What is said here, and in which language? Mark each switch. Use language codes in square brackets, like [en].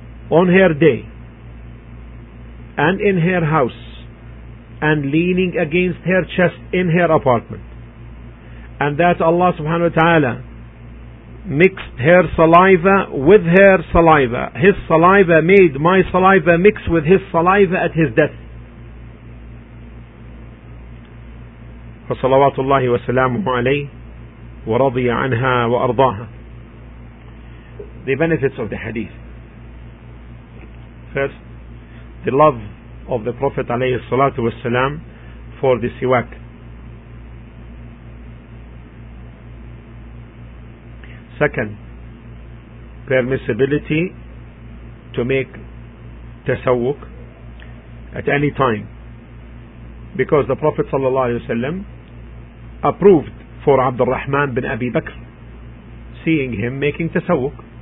[en] on her day and in her house and leaning against her chest in her apartment, and that Allah subhanahu wa ta'ala mixed her saliva with her saliva, his saliva made my saliva mix with his saliva at his death. [ar] صلوات الله وسلامه عليه ورضي عنها وأرضاها. [en] The benefits of the hadith. First, the love of the Prophet [ar] عليه الصلاة والسلام [en] for the siwak. Second, permissibility to make tasawwuk at any time, because the Prophet [ar] صلى الله عليه وسلم [en] approved for Abd al-Rahman bin Abi Bakr seeing him making tasawwuk.